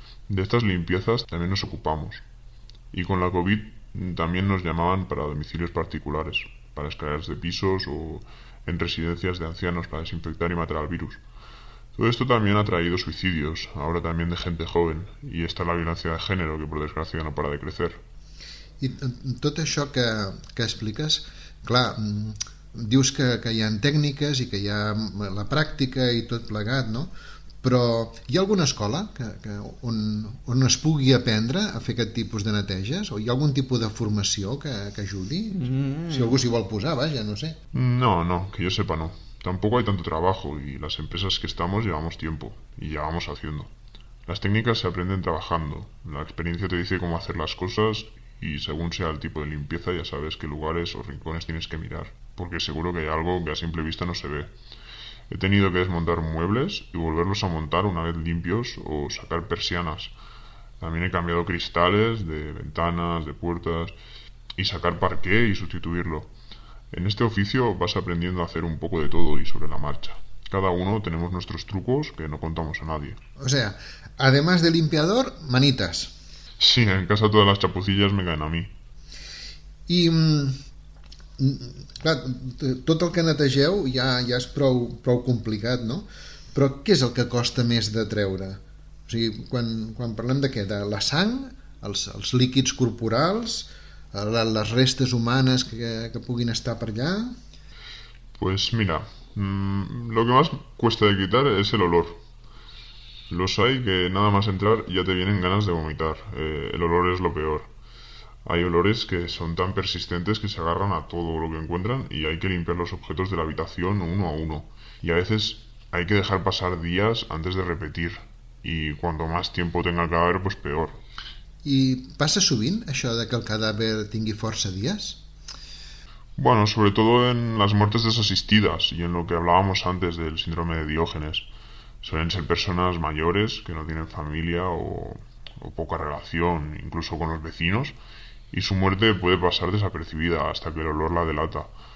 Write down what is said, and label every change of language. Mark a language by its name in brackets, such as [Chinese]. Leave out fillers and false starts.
[Spanish] De estas limpiezas también nos ocupamos. Y con la COVID también nos llamaban para domicilios particulares, para escaleras de pisos o en residencias de ancianos para desinfectar y matar al virus. Todo esto también ha traído suicidios, ahora también de gente joven, y está la violencia de género, que por desgracia no para de crecer. [Catalan] I tot això que expliques, clar, dius que hi ha tècniques i que hi ha la pràctica i tot plegat, no? Però hi ha alguna escola on es pugui aprendre a fer aquest tipus de neteges? O hi ha algun tipus de formació que ajudi? Si algú s'hi vol posar, vaja, no sé. [Spanish] No, que jo sepa no. Tampoco hay tanto trabajo y las empresas que estamos llevamos tiempo y ya vamos haciendo. Las técnicas se aprenden trabajando. La experiencia te dice cómo hacer las cosas y según sea el tipo de limpieza ya sabes qué lugares o rincones tienes que mirar, porque seguro que hay algo que a simple vista no se ve. He tenido que desmontar muebles y volverlos a montar una vez limpios o sacar persianas. También he cambiado cristales de ventanas, de puertas y sacar parqué y sustituirlo. En este oficio vas aprendiendo a hacer un poco de todo y sobre la marcha. Cada uno tenemos nuestros trucos que no contamos a nadie. O sea, además de limpiador, manitas. Sí, en casa todas las chapucillas me caen a mí. [Catalan] I, clar, tot el que netegeu ja és prou complicat, no? Però què és el que costa més de treure? O sigui, quan parlem de què? De la sang? Els líquids corporals? Les restes humanes que puguin estar per allà? [Spanish] Pues mira, lo que más cuesta de quitar es el olor. Los hay que nada más entrar ya te vienen ganas de vomitar. El olor es lo peor. Hay olores que son tan persistentes que se agarran a todo lo que encuentran y hay que limpiar los objetos de la habitación uno a uno. Y a veces hay que dejar pasar días antes de repetir. Y cuanto más tiempo tenga el cadáver, pues peor. [Catalan] I passa sovint això de que el cadàver tingui força dies? [Spanish] Bueno, sobre todo en las muertes desasistidas y en lo que hablábamos antes del síndrome de Diógenes. Suelen ser personas mayores que no tienen familia o poca relación, incluso con los vecinos, y su muerte puede pasar desapercibida hasta que el olor la delata.